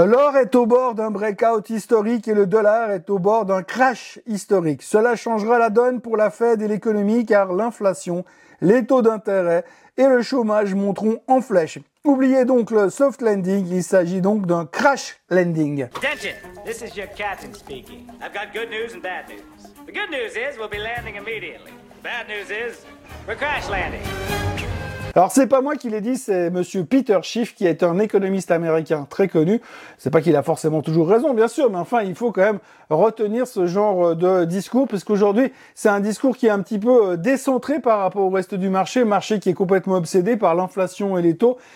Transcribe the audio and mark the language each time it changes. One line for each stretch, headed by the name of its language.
French: L'or est au bord d'un breakout historique et le dollar est au bord d'un crash historique. Cela changera la donne pour la Fed et l'économie car l'inflation, les taux d'intérêt et le chômage monteront en flèche. Oubliez donc le soft landing, il s'agit donc d'un crash landing.
English: Attention, this is your captain speaking. I've got good news and bad news. The good news is we'll be landing immediately. The bad news is we're crash landing.
French: Alors c'est pas moi qui l'ai dit, c'est monsieur Peter Schiff qui est un économiste américain très connu. C'est pas qu'il a forcément toujours raison bien sûr, mais enfin il faut quand même retenir ce genre de discours parce qu'aujourd'hui, c'est un discours qui est un petit peu décentré par rapport au reste du marché, marché qui est complètement obsédé par l'inflation et les taux